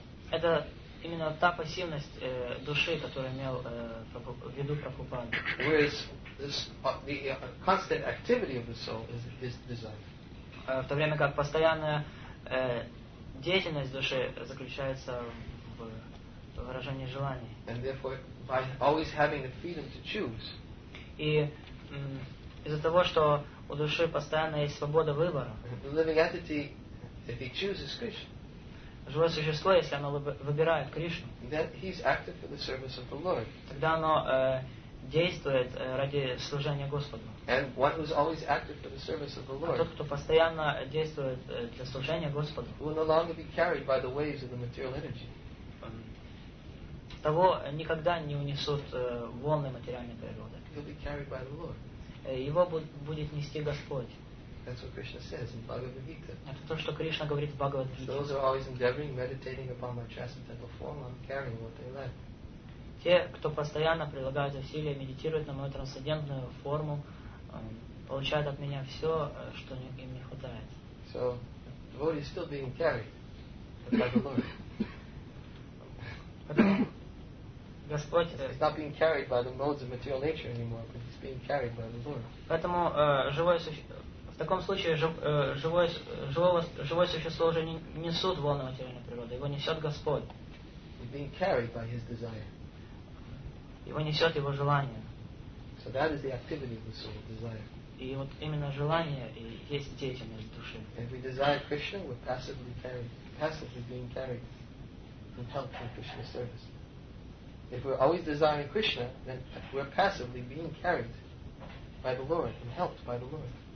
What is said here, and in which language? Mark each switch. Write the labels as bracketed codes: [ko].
[ru] Это именно та пассивность души, которую имел в виду Прабхупада. [en] The constant activity of the soul is his desire. [ru] В то время как постоянная деятельность души заключается в выражении желаний. [en] And therefore, by always having the freedom to choose. [ru] И из-за того, что у души постоянно есть свобода выбора. [en] The living entity, if he chooses Krishna. [ru] Живое существо, если оно выбирает Кришну. [en] Then he's active for the service of the Lord. [ru] Тогда оно действует ради служения Господу. [en] And one who's always active for the service of the Lord, [ru] тот, кто постоянно действует для служения Господу, [en] will no longer be carried by the waves of the material energy. [ru] Того никогда не унесут волны материальной природы. [en] He'll be carried by the Lord. [ru] Его будет нести Господь. [en] That's what Krishna says in Bhagavad Gita. [ru] Это то, что Кришна говорит в Бхагавад Гите. [en] Those who are always endeavoring, meditating upon my transcendental form, I'm carrying what they lack. [ru] Те, кто постоянно прилагают усилия, медитируют на мою трансцендентную форму, получают от меня все, что им не хватает. [en] So, the body is still being carried by the Lord. [ru] Господь. [en] He's not being carried by the modes of material nature anymore, but he's being carried by the Lord. [ru] Поэтому в таком случае живое существо уже не несут волны материальной природы. Его несет Господь. [en] He's being carried by his desire. [ru] Его несет его желание. [en] So that is the activity of the soul, desire. [ru] И вот именно желание и есть деятельность души. [en] If we desire Krishna, we're passively carried, passively being carried and helped by Krishna's service. If we're always desiring Krishna, then we're passively being carried by the Lord and helped by the Lord.